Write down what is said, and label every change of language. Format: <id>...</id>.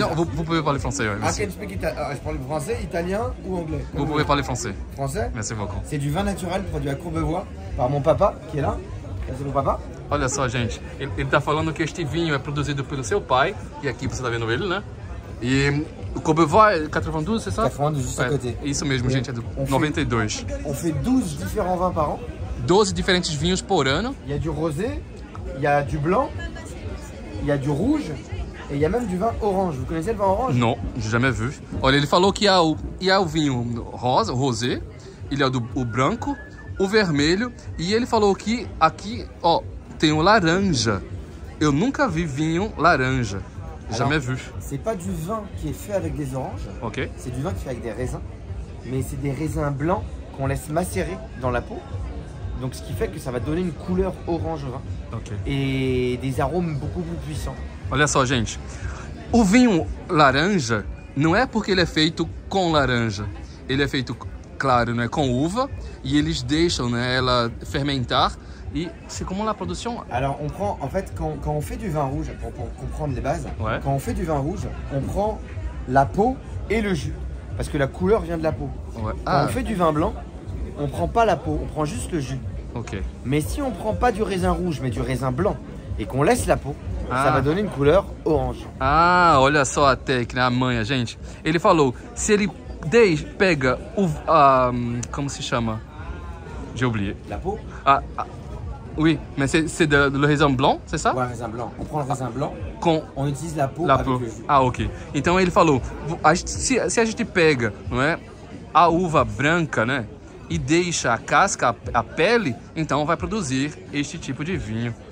<fr>Non, vous pouvez parler français, oui, monsieur.</fr> <en>I can't speak</en> <fr>je parle français, italien ou anglais. Vous pouvez parler français. Français. Merci beaucoup. C'est du vin naturel produit à Courbevoie par mon papa qui est là. Merci mon papa.</fr> <pt>Olha só, gente. Ele tá falando que este vinho é produzido pelo seu pai. E aqui você tá vendo ele, né? E o Courbevoie, 92,</pt> <fr>c'est ça? 92, juste à côté.</fr> <pt>É, isso mesmo, gente. É do 92.</pt> <fr>On fait 12 différents vins par an.</fr> <pt>12 diferentes vinhos por ano.</pt> <fr>Il y a du rosé, il y a du blanc, il y a du rouge et il y a même du vin orange. Vous connaissez le vin orange? Non, j'ai jamais vu.</fr> <pt>Olha, ele falou que há o vinho rosa, o rosé, ele é o branco, o vermelho e ele falou que aqui, ó, tem o laranja. Eu nunca vi vinho laranja.</pt> <fr>Jamais vu. C'est pas du vin qui est fait avec des oranges. OK. C'est du vin qui est fait avec des raisins. Mais c'est des raisins blancs qu'on laisse macérer dans la peau. Donc ce qui fait que ça va donner une couleur orange au vin. OK. Et des arômes beaucoup plus puissants.</fr> <pt>Olha só, gente. O vinho laranja não é porque ele é feito com laranja. Ele é feito, claro, né, com uva e eles deixam, né, ela fermentar.</pt> <fr>Et c'est comment la production? Alors on prend, en fait, quand on fait du vin rouge, pour comprendre les bases, ouais. Quand on fait du vin rouge, on prend la peau et le jus, parce que la couleur vient de la peau. Ouais. Quand on fait du vin blanc, on prend pas la peau, on prend juste le jus. Okay. Mais si on prend pas du raisin rouge, mais du raisin blanc, et qu'on laisse la peau, ça va donner une couleur orange.</fr> <pt>Ah, olha só a técnica, a manha, gente. Ele falou, se ele deixa, pega o... como se chama?</pt> <fr>J'ai oublié. La peau? Oui, mais c'est le raisin blanc, c'est ça? Ouais, raisin blanc. On prend le raisin blanc.</fr> <pt>Com...</pt> <fr>On utilise la peau. La peau. Ah, ok.</fr> <pt>Então ele falou, se a gente pega, não é, a uva branca, né, e deixa a casca, a pele, então vai produzir este tipo de vinho.</pt>